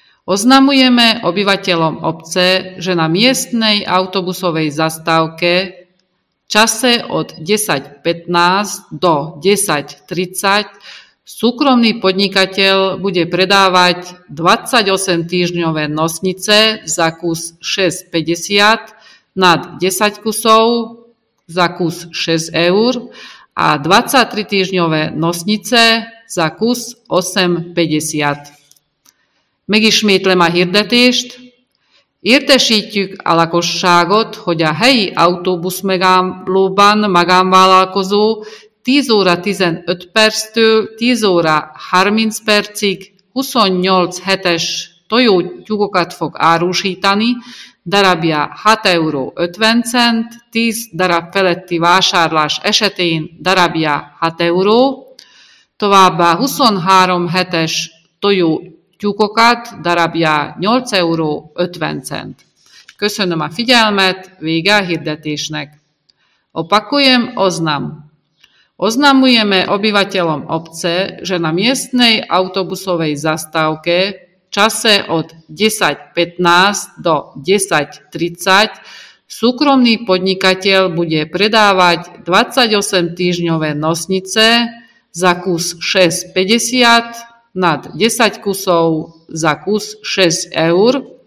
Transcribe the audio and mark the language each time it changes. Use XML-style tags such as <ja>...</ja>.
<sk>Oznamujeme obyvateľom obce, že na miestnej autobusovej zastávke v čase od 10.15 do 10.30 súkromný podnikateľ bude predávať 28-týždňové nosnice za kus 6,50 nad 10 kusov za kus 6 eur a 23-týždňové nosnice za kus 8,50.</sk> <hu>Megismétlem a hirdetést. Értesítjük a lakosságot, hogy a helyi autóbusz megállóban magánvállalkozó 10 óra 15 perctől 10 óra 30 percig 28 hetes tojótyúkokat fog árusítani, darabja 6,50 euró, 10 darab feletti vásárlás esetén darabja 6 euró, továbbá 23 hetes tojó tyúkokat darabja 8,50 euró. Köszönöm a figyelmet, vége a hirdetésnek.</hu> <sk>Opakujem oznam. Oznamujeme obyvateľom obce, že na miestnej autobusovej zastávke v čase od 10.15 do 10.30 súkromný podnikateľ bude predávať 28-týždňové nosnice za kus 6,50 nad 10 kusov za kus 6 eur</sk>